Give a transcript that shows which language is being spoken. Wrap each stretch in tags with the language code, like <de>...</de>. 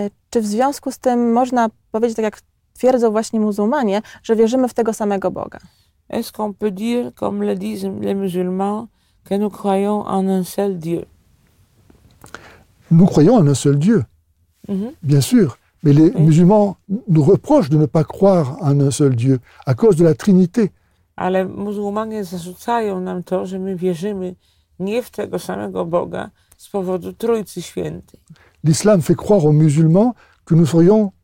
<pl>Czy w związku z tym można powiedzieć, tak jak twierdzą właśnie muzułmanie, że wierzymy w tego samego Boga?</pl> <fr>Est-ce qu'on peut dire, comme le disent les musulmans, que nous croyons en un seul Dieu? Nous croyons en un seul Dieu, bien sûr. Mais les musulmans nous reprochent de ne pas croire en un seul Dieu à cause de la Trinité.</fr> <pl>Ale muzułmanie zarzucają nam to, że my wierzymy nie w tego samego Boga z powodu Trójcy Świętej.</pl> <fr>L'islam fait croire aux musulmans que nous serions</fr>